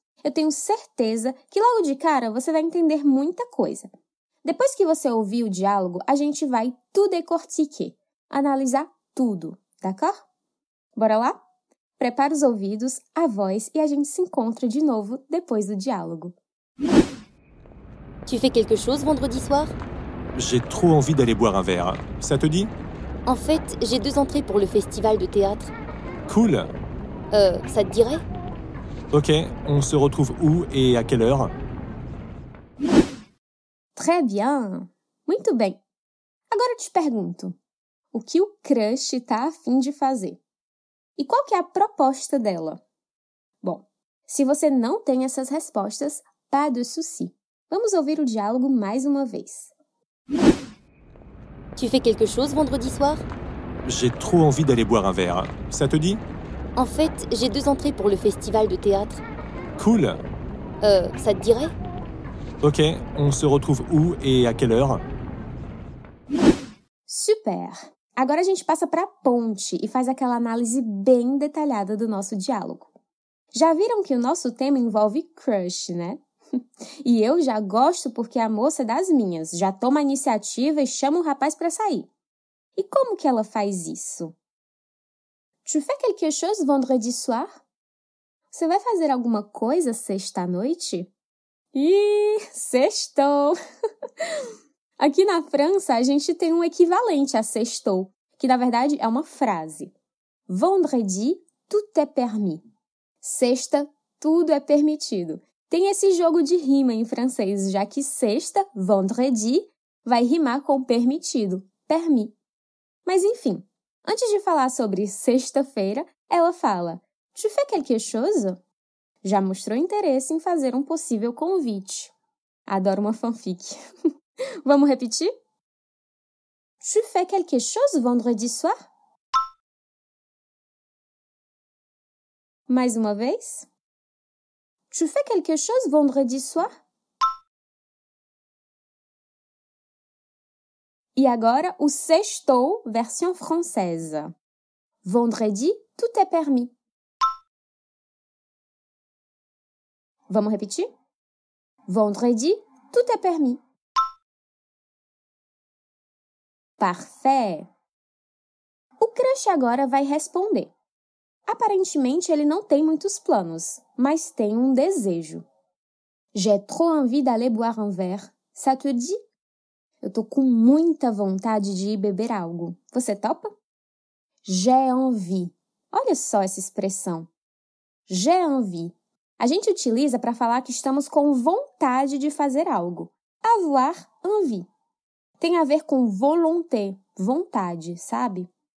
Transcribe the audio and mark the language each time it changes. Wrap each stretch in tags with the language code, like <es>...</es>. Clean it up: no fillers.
<pt>Eu tenho certeza que logo de cara você vai entender muita coisa. Depois que você ouvir o diálogo, a gente vai</pt> <fr>tout décortiquer,</fr> <pt>analisar tudo,</pt> <fr>d'accord?</fr> <pt>Bora lá? Prepara os ouvidos, a voz e a gente se encontra de novo depois do diálogo.</pt> <fr>Tu fais quelque chose vendredi soir? J'ai trop envie d'aller boire un verre. Ça te dit? En fait, j'ai deux entrées pour le festival de théâtre. Cool. Ça te dirait? Ok, on se retrouve où et à quelle heure? Très bien.</fr> <pt>Muito bem. Agora eu te pergunto, o que o crush tá a fim de fazer? E qual que é a proposta dela? Bom, se você não tem essas respostas,</pt> <fr>pas de souci.</fr> <pt>Vamos ouvir o diálogo mais uma vez.</pt> <fr>Tu fais quelque chose vendredi soir? J'ai trop envie d'aller boire un verre. Ça te dit? En fait, j'ai deux entrées pour le festival de théâtre. Cool. Ça te dirait? Ok, on se retrouve où et à quelle heure? Super.</fr> <pt>Agora a gente passa para a ponte e faz aquela análise bem detalhada do nosso diálogo. Já viram que o nosso tema envolve crush, né? E eu já gosto porque a moça é das minhas, já toma a iniciativa e chama o rapaz para sair. E como que ela faz isso? Tu fais quelque chose vendredi soir? Você vai fazer alguma coisa sexta à noite? Ih, sextou! Aqui na França, a gente tem um equivalente a sextou, que na verdade é uma frase.</pt> <fr>Vendredi, tout est permis.</fr> <pt>Sexta, tudo é permitido. Tem esse jogo de rima em francês, já que sexta, vendredi, vai rimar com permitido, permis. Mas enfim, antes de falar sobre sexta-feira, ela fala</pt> <fr>Tu fais quelque chose?</fr> <pt>Já mostrou interesse em fazer um possível convite. Adoro uma fanfic. Vamos repetir?</pt> <fr>Tu fais quelque chose vendredi soir?</fr> <pt>Mais uma vez?</pt> <fr>Tu fais quelque chose vendredi soir?</fr> <pt>E agora o sextou, versão francesa.</pt> <fr>Vendredi, tout est permis.</fr> <pt>Vamos repetir?</pt> <fr>Vendredi, tout est permis.</fr> <pt>Parfait! O crush agora vai responder. Aparentemente, ele não tem muitos planos, mas tem um desejo.</pt> <fr>J'ai trop envie d'aller boire un verre. Ça te dit?</fr> <pt>Eu tô com muita vontade de ir beber algo. Você topa?</pt> <fr>J'ai envie.</fr> <pt>Olha só essa expressão. J'ai envie. A gente utiliza para falar que estamos com vontade de fazer algo.</pt> <fr>Avoir envie.</fr> <pt>Tem a ver com volonté, vontade, sabe?</pt>